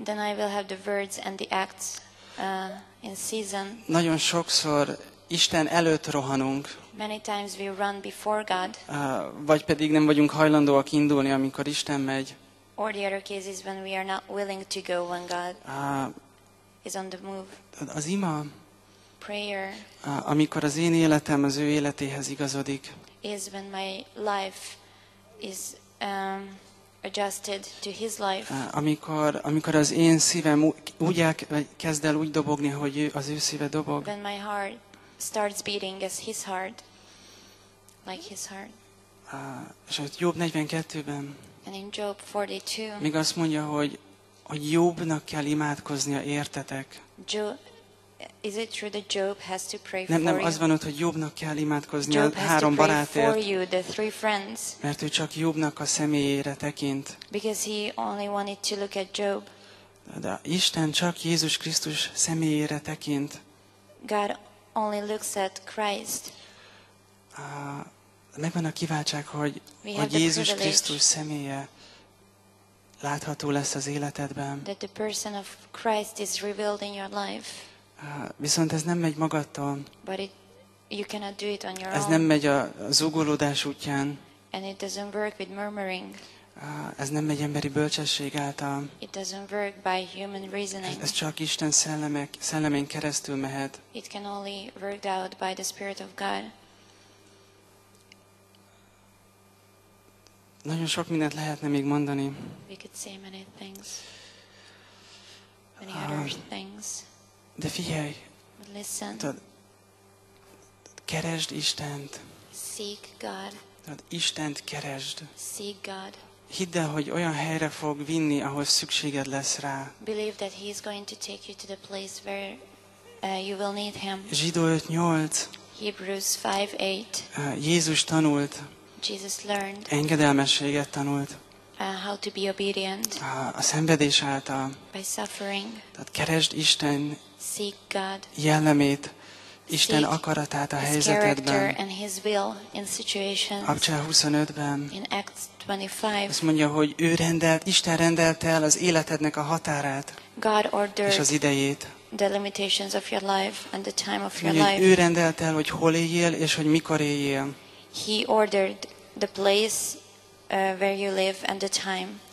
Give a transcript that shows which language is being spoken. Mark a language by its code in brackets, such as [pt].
[en] Then I will have the words and the acts in season. [hu] Nagyon sokszor Isten előtt rohanunk. [en] Many times we run before God. [hu] Vagy pedig nem vagyunk hajlandóak indulni, amikor Isten megy. [en] Or the other case is when we are not willing to go when God is on the move. [hu] Az ima, [en] prayer, [hu] amikor az én életem az ő életéhez igazodik, [en] is when my life is adjusted to his life. [hu] Amikor az én szívem kezd el úgy dobogni, hogy az ő szíve dobog. [en] When my heart starts beating as his heart, like his heart. [hu] És a Jób 42-ben. [en] And in Job 42. [hu] Még azt mondja, hogy Jobnak kell imádkoznia, értetek? [en] Job, is it true that Job has to pray for [hu] nem, nem, [en] you? [hu] Az van ott, hogy Jobnak kell imádkoznia a három barátért. [en] For you, the three friends. [hu] Mert ő csak Jobnak a személyére tekint. [en] Because he only wanted to look at Job. [hu] De Isten csak Jézus Krisztus személyére tekint. [en] God only looks at Christ. [hu] Megvan a kiváltság, hogy Jézus Krisztus személye látható lesz az életedben. [en] That the person of Christ is revealed in your life. [hu] Viszont ez nem megy magadtól. [en] But you cannot do it on your own. [hu] Ez nem megy a zúgolódás útján. [en] And it doesn't work with murmuring. [hu] Ez nem megy emberi bölcsesség által. [en] It doesn't work by human reasoning. [hu] Ez csak Isten szellemén keresztül mehet. [en] It can only work out by the Spirit of God. [hu] Nagyon sok mindent lehetne még mondani. [en] We could say many things. Many other things. [hu] De figyelj! [en] But listen. [hu] Keresd Istent. [en] Seek God. [hu] Istent keresd. [en] Seek God. [hu] Hidd el, hogy olyan helyre fog vinni, ahol szükséged lesz rá. [en] Believe that he is going to take you to the place where you will need him. [hu] Zsidó 5:8. [en] Hebrews 5:8. [hu] Jézus tanult. [en] Jesus learned. [hu] Engedelmességet tanult. [en] How to be obedient. [hu] A szenvedés által. [en] By suffering. [hu] Tehát keresd Isten. [en] Seek God. [hu] Jellemét. Isten akaratát a helyzetedben. [en] Character and his will in situations. [hu] Apcsá 25-ben. [en] In Acts 25. [hu] Azt mondja, hogy Isten rendelte el az életednek a határát. [en] God ordered. [hu] És az idejét. [en] The limitations of your life and the time of your [hu] mondja, [en] life. [hu] Ő rendelte el, hogy hol éljél és hogy mikor éljél. [en] He ordered the place where you live and the time.